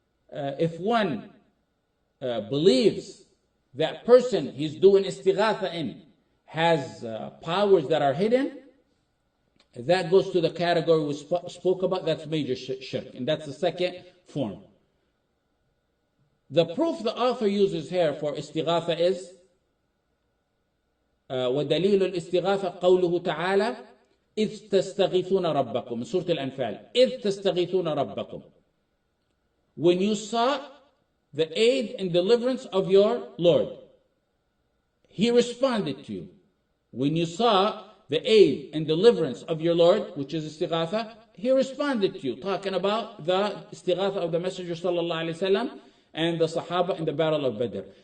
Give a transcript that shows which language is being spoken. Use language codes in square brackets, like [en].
[en] If one believes that person he's doing istighatha in has powers that are hidden, that goes to the category we spoke about, that's major shirk, and that's the second form. The proof the author uses here for istighatha is [ar] ودليل الاستغاثة قوله تعالى إذ تستغيثون ربكم سورة الأنفال إذ تستغيثون ربكم. [en] When you sought the aid and deliverance of your Lord, He responded to you. When you sought the aid and deliverance of your Lord, which is استغاثة, He responded to you. Talking about the استغاثة of the Messenger صلى الله عليه وسلم and the Sahaba in the Battle of Badr.